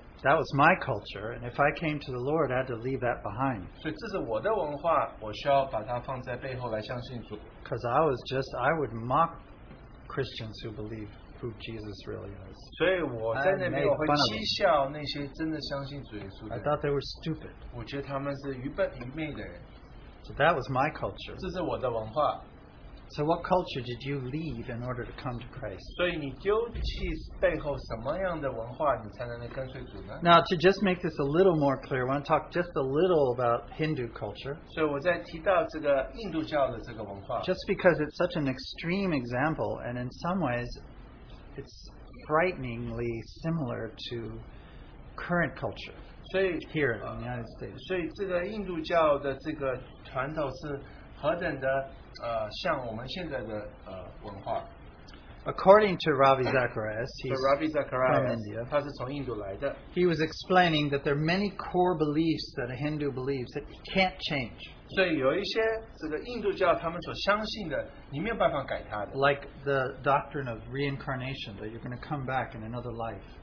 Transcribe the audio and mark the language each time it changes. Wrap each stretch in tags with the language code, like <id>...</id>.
<en>That was my culture, and if I came to the Lord, I had to leave that behind.</en> <zh>所以这是我的文化，我需要把它放在背后来相信主。</zh> <en>Because I would mock Christians who believe who Jesus really is.</en> <zh>所以我在那边我会讥笑那些真的相信主耶稣的人。</zh> <en>I thought they were stupid.</en> <zh>我觉得他们是愚笨愚昧的人。</zh> <en>So that was my culture.</en> <zh>这是我的文化。</zh> <en>So what culture did you leave in order to come to Christ?</en> <zh>所以你丢弃背后什么样的文化，你才能跟随主呢？</zh> <en>Now to just make this a little more clear, I want to talk just a little about Hindu culture.</en> <zh>所以我在提到这个印度教的这个文化。</zh> <en>Just because it's such an extreme example, and in some ways, it's frighteningly similar to current culture. 所以 here in the United States.</en> <zh>所以这个印度教的这个传统是何等的像我们现在的文化。</zh> <en>According to Ravi Zacharias, he's from India,</en> <zh>他是从印度来的,</zh> <en>he was explaining that there are many core beliefs that a Hindu believes that he can't change.</en> <zh>所以有一些这个印度教他们所相信的, 你没有办法改他的。</zh> <en>Like the doctrine of reincarnation, that you're going to come back in another life.</en>